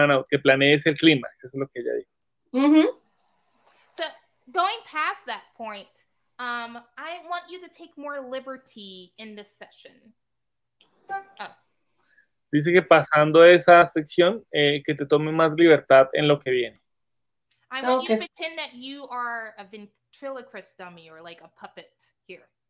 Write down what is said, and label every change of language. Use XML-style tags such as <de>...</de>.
<es>Que planees el clima, eso es lo que ella dijo. Mm-hmm.</es> <en>So, going past that point, I want you to take more liberty in this session. Oh.</en> <es>Dice que pasando esa sección, que te tome más libertad en lo que viene.</es> <en>I want you to pretend that you are a ventriloquist dummy or like a puppet here.</en>